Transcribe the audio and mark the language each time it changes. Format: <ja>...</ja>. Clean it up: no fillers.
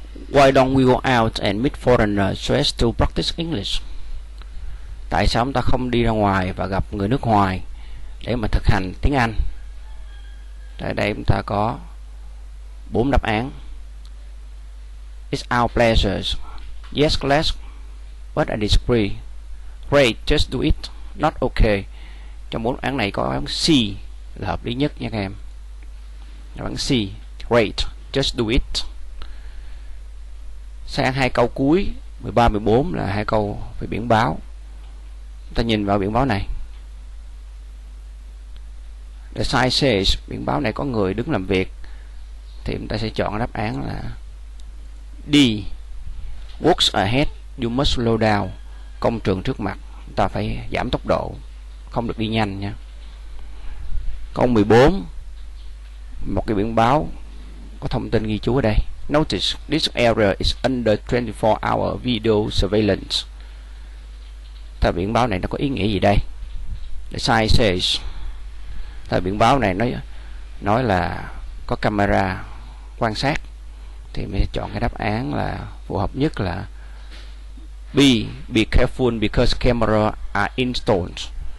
<en>Why don't we go out and meet foreigners so as to practice English?</en> <vi>Tại sao chúng ta không đi ra ngoài và gặp người nước ngoài để mà thực hành tiếng Anh? Tại đây chúng ta có 4 đáp án.</vi> <en>It's our pleasure. Yes, class. But I disagree. Great, just do it. Not okay.</en> <vi>Trong 4 đáp án này có đáp án C là hợp lý nhất nha các em. Đáp án C.</vi> <en>Great, just do it.</en> <vi>Sang hai câu cuối 13, 14 là hai câu về biển báo. Chúng ta nhìn vào biển báo này.</vi> <en>The sign says,</en> <vi>biển báo này có người đứng làm việc. Thì chúng ta sẽ chọn đáp án là D.</vi> <en>Works ahead, you must slow down.</en> <vi>Công trường trước mặt, chúng ta phải giảm tốc độ, không được đi nhanh nha. Câu 14. Một cái biển báo có thông tin ghi chú ở đây.</vi> <en>Notice this area is under 24 hour video surveillance.</en> <vi>Tờ biển báo này nó có ý nghĩa gì đây?</vi> <en>The sign says.</en> <vi>Tờ biển báo này nói là có camera quan sát thì mình sẽ chọn cái đáp án là phù hợp nhất là B,</vi> <en>be careful because cameras are installed.</en>